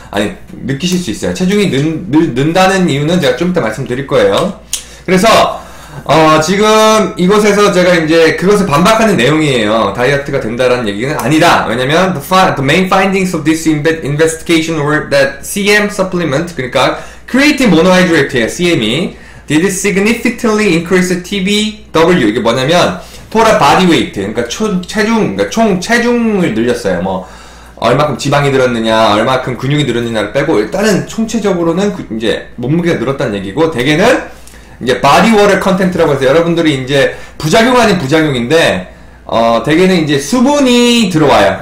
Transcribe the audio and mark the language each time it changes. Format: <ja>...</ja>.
<ko>아니 느끼실 수 있어요. 체중이 는다는 이유는 제가 좀 이따 말씀드릴 거예요. 그래서 지금 이곳에서 제가 이제 그것을 반박하는 내용이에요. 다이어트가 된다라는 얘기는 아니다. 왜냐면</ko> <en>the main findings of this investigation were that CM supplement,</en> <ko>그러니까</ko> <en>creatine monohydrate의 CM이 did significantly increase TBW.</en> <ko>이게 뭐냐면 total body weight, 그러니까 체중, 그러니까 총 체중을 늘렸어요. 뭐 얼마큼 지방이 늘었느냐, 얼마큼 근육이 늘었느냐를 빼고 일단은 총체적으로는 이제 몸무게가 늘었다는 얘기고, 대개는 이제 body water content라고 해서 여러분들이 이제 부작용 아닌 부작용인데, 대개는 이제 수분이 들어와요.</ko>